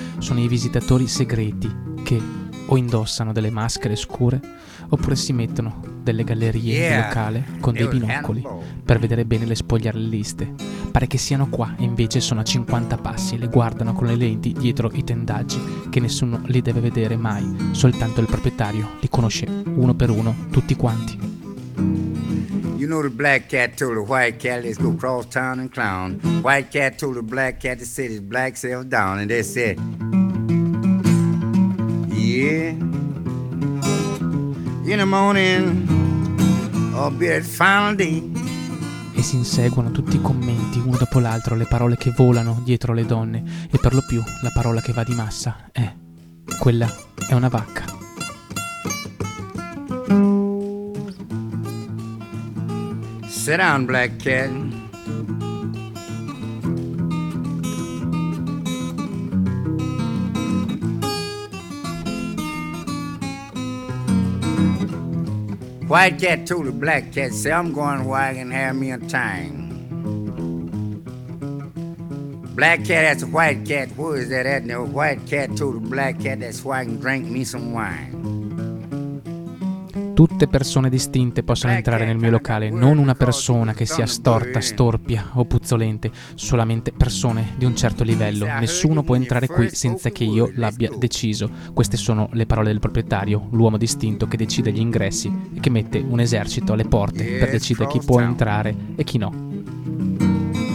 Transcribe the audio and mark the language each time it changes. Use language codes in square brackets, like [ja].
[it] Sono i visitatori segreti che o indossano delle maschere scure oppure si mettono delle gallerie in locale con dei binocoli per vedere bene le spogliarelliste. Pare che siano qua e invece sono a 50 passi e le guardano con le lenti dietro i tendaggi che nessuno li deve vedere mai, soltanto il proprietario li conosce uno per uno tutti quanti. [en] You know the black cat told the white cat, let's go cross town and clown. White cat told the black cat to sit his black self down, and they said, yeah. In the morning, I'll be at final day. [it] E si inseguono tutti i commenti, uno dopo l'altro, le parole che volano dietro le donne, e per lo più la parola che va di massa è: quella è una vacca. [en] Sit down, black cat. White cat told the black cat, say, I'm going where I can have me a time. Black cat asked the white cat, where is that at? And the white cat told the black cat, that's where I can drink me some wine. [it] Tutte persone distinte possono entrare nel mio locale, non una persona che sia storta, storpia o puzzolente, solamente persone di un certo livello. Nessuno può entrare qui senza che io l'abbia deciso. Queste sono le parole del proprietario, l'uomo distinto che decide gli ingressi e che mette un esercito alle porte per decidere chi può entrare e chi no.